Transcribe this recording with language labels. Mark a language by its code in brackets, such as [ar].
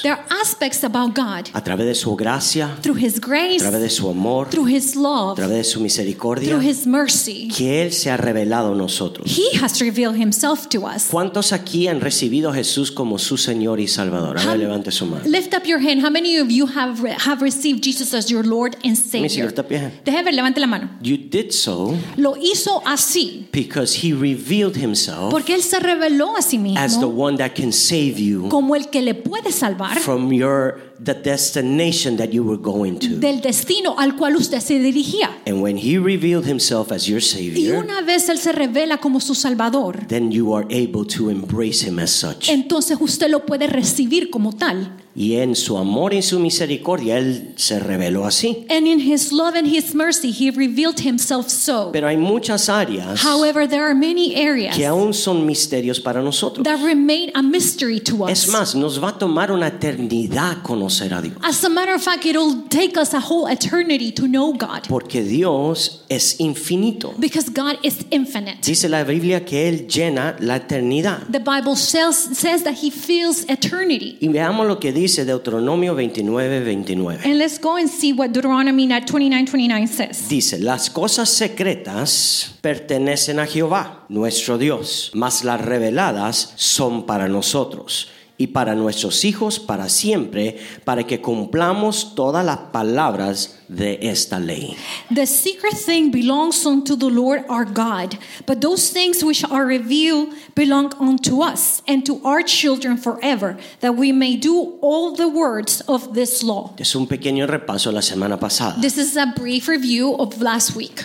[en] There are aspects about God. [es] A través de su gracia, [en] through his grace, [es] a través de su amor, [en] through his love, [es] a través de su misericordia, [en] through his mercy, [es] que él se ha revelado a nosotros. [en] He has revealed himself to us. [es] ¿Cuántos aquí han recibido a Jesús como su Señor y Salvador? A ver, levante su mano. [en] Lift up your hand. How many of you have received Jesus as your Lord and Savior? [es] Déjeme ver, levante la mano. [en] You did so. [es] Lo hizo así. [en] Because he revealed himself. [es] Porque él se reveló a sí mismo. [en] As the one that can save you. [es] Como el que le puede salvar. [en] From the destination that you were going to. [es] Del destino al cual usted se dirigía. [en] And when he revealed himself as your Savior. [es] Y una vez él se revela como su Salvador. [en] Then you are able to embrace him as such. [es] Entonces usted lo puede recibir como tal. Y en su amor y su misericordia él se reveló así. [en] And in his love and his mercy he revealed himself so. [es] Pero hay muchas áreas. [en] However, there are many areas [es] que aún son misterios para nosotros. [en] That remain a mystery to us. [es] Es más, nos va a tomar una eternidad conocer a Dios. [en] As a matter of fact, it'll take us a whole eternity to know God. [es] Porque Dios es infinito. [en] Because God is infinite. [es] Dice la Biblia que él llena la eternidad. [en] The Bible says that he fills eternity. [es] Y veamos lo que dice Deuteronomio 29:29. [en] And let's go and see what Deuteronomy 29:29 says. [es] Dice, las cosas secretas pertenecen a Jehová, nuestro Dios, mas las reveladas son para nosotros y para nuestros hijos para siempre, para que cumplamos todas las palabras de esta ley. [en] The secret thing belongs unto the Lord our God, but those things which are revealed belong unto us and to our children forever, that we may do all the words of this law. [es] Es un pequeño repaso la semana pasada. [en] This is a brief review of last week.